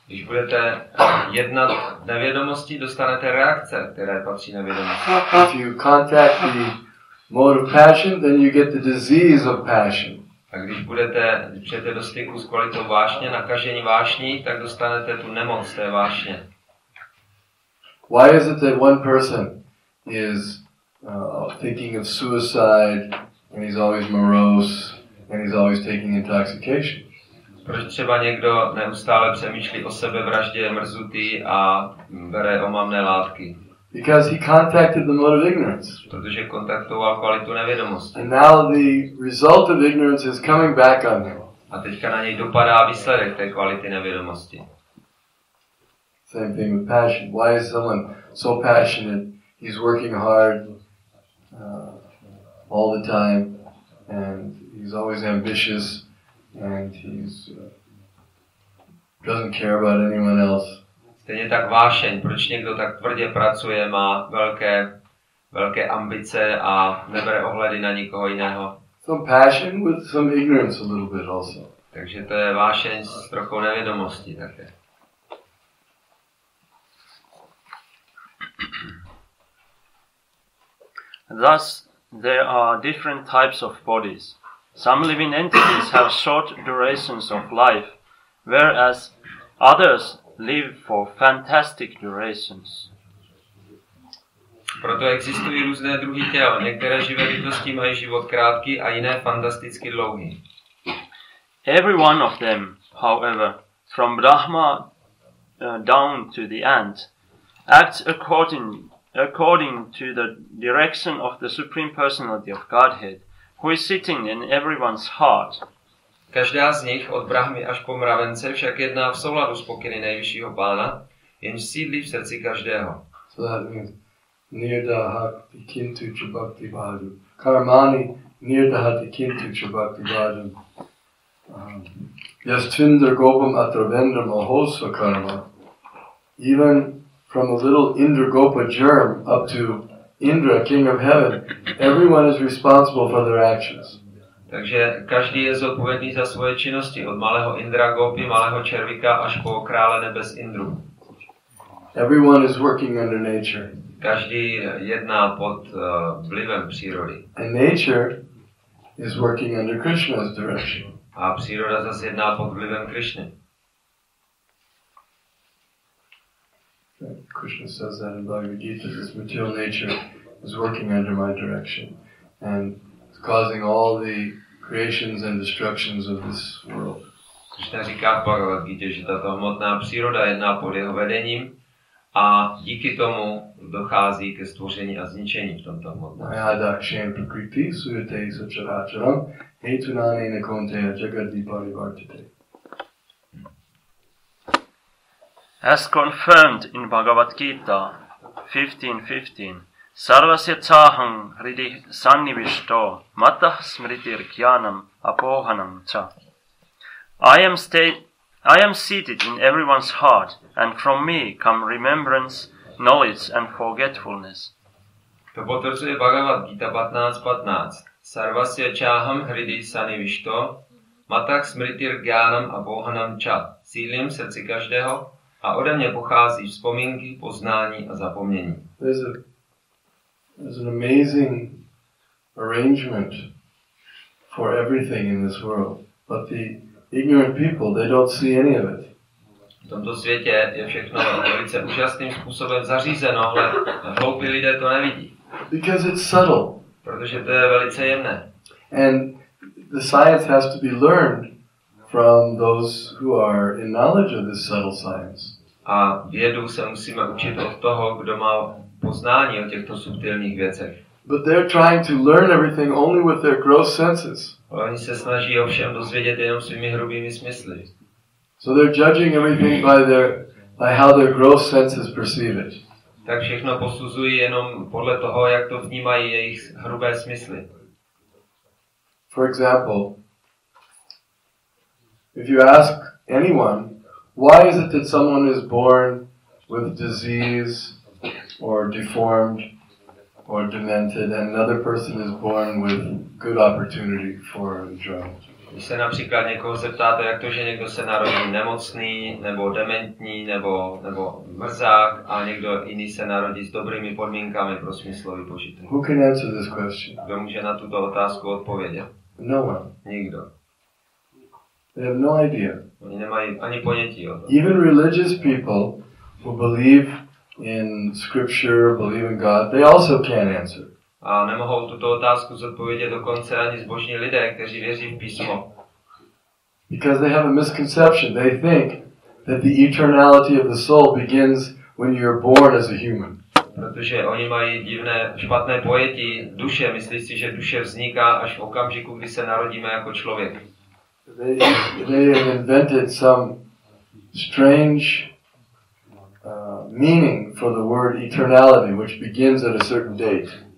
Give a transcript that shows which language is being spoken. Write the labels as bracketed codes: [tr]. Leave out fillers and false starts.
[cs] Když budete jednat nevědomosti, dostanete reakce, které patří nevědomosti. [en] If you contact the mode of passion, then you get the disease of passion. [cs] A když přijete do styku s kvalitou vášně, nakažení vášní, tak dostanete tu nemoc té vášně. [en] Why is it that one person is thinking of suicide and he's always morose and he's always taking intoxication? [cs] Proč třeba někdo neustále přemýšlí o sebevraždě, je mrzutý a bere omamné látky? [en] Because he contacted the mode of ignorance. [cs] Protože kontaktoval kvalitu nevědomosti. [en] And now the result of ignorance is coming back on him. [cs] A teďka na něj dopadá výsledek té kvality nevědomosti. [en] Same thing with passion. Why is someone so passionate? He's working hard all the time and he's always ambitious and he's doesn't care about anyone else. [cs] Stejně tak vášeň, proč někdo tak tvrdě pracuje, má velké ambice a nebere ohledy na nikoho jiného. [en] Some passion with some ignorance a little bit also. [cs] Takže to je vášeň s trochou nevědomosti také. [en] Thus there are different types of bodies. Some living entities have short durations of life, whereas others live for fantastic durations. [cs] Proto existují různé druhy těla. Některé živé bytosti mají život krátký a jiné fantasticky dlouhý. [en] Every one of them, however, from Brahma down to the ant, acts according to the direction of the Supreme Personality of Godhead, who is sitting in everyone's heart. [cs] Každá z nich, od Brahmy až po mravence, však jedná v souladu s pokyny nejvyššího pána, jenž sídlí v srdci každého. [en] So that means [sa] nirdahati kintu chabakti bhajan. Karmani nirdahati kintu chabakti bhajan. Yastvindar gopam atravendam ahosva karma. [en] Even from a little Indragopa germ up to Indra, king of heaven, everyone is responsible for their actions. [cs] Takže každý je zodpovědný za svoje činnosti, od malého Indra Gopi, malého červíka, až po krále nebes Indru. [en] Everyone is working under nature. [cs] Každý jedná pod vlivem přírody. [en] And nature is working under Krishna's direction. [cs] A příroda zas jedná pod vlivem Krishny. [en] Krishna says that in Bhagavad Gita, this material nature is working under my direction and it's causing all the creations and destructions of this world. [cs] Krishna říká v Bhagavad Gita, že tato hmotná příroda jedná pod jeho vedením a díky tomu dochází ke stvoření a zničení v tomto hmotném. [sa] Maya dakshem prakriti suyate sacharacharam hetunane nakonteya jagadvipalivartite. [en] As confirmed in Bhagavad Gita 15:15, [sa] sarvasya chaham hridi sannivishto matah smritir jnanam apohanam cha. [en] I am seated in everyone's heart, and from me come remembrance, knowledge and forgetfulness. [cs] To potvrzuje Bhagavad Gita 15:15. [sa] Sarvasya chaham hridi sannivishto matah smritir jnanam apohanam cha. [cs] Cílem srdci každého a ode mě pochází vzpomínky, poznání a zapomnění. [en] There's a There's an amazing arrangement for everything in this world, but the ignorant people, they don't see any of it. [cs] V tomto světě je všechno velice úžasným způsobem zařízeno, ale hloupí lidé to nevidí. [en] Because it's subtle. [cs] Protože to je velice jemné. [en] And the science has to be learned from those who are in knowledge of this subtle science. [cs] A vědu se musíme učit od toho, kdo má poznání o těchto subtilních věcech. [en] But they're trying to learn everything only with their gross senses. [cs] Oni se snaží o všem dozvědět jenom svými hrubými smysly. [en] So they're judging everything by how their gross senses perceive it. [cs] Tak všechno posuzují jenom podle toho, jak to vnímají jejich hrubé smysly. [en] For example, if you ask anyone, why is it that someone is born with disease or deformed or demented and another person is born with good opportunity for a job? [cs] Když se například někoho zeptáte, jak to, že někdo se narodí nemocný, nebo dementní, nebo mrzák, a někdo jiný se narodí s dobrými podmínkami pro smyslový požitek. [en] Who can answer this question? [cs] Kdo může na tuto otázku odpovědět? [en] No one. [cs] Nikdo. [en] They have no idea. [cs] Oni nemají ani ponětí o tom. [en] Even religious people who believe in scripture, believe in God, they also can't answer. [cs] A nemohou tuto otázku zodpovědět dokonce ani zbožní lidé, kteří věří v písmo. [en] Because they have a misconception. They think that the eternality of the soul begins when you're born as a human. [cs] Protože oni mají divné, špatné pojetí duše. Myslí si, že duše vzniká až v okamžiku, kdy se narodíme jako člověk. [en] They have invented some strange meaning for the word eternality, which begins at a certain date.